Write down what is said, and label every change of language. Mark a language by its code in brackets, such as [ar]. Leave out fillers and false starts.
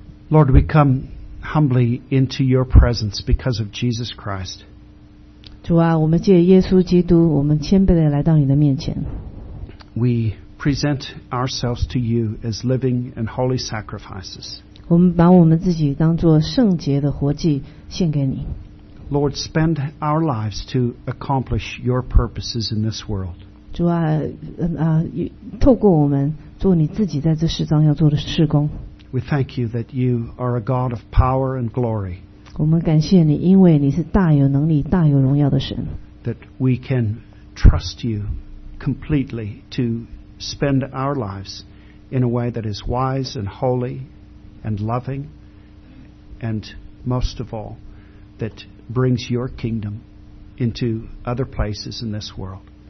[en] Lord, we come humbly into your presence because of Jesus Christ. [zh] 主啊, 我们借耶稣基督, 我们谦卑地来到你的面前。 [en] We present ourselves to you as living and holy sacrifices. [zh] 我们把我们自己当作圣洁的活祭献给你。 [en] Lord, spend our lives to accomplish your purposes in this world. [zh] 主啊, 透过我们, 做你自己在这世上要做的事工。 [en] We thank you that you are a God of power and glory. [zh] 我们感谢你，因为你是大有能力、大有荣耀的神。 [en] That we can trust you completely to spend our lives in a way that is wise and holy and loving, and most of all, that brings your kingdom into other places in this world.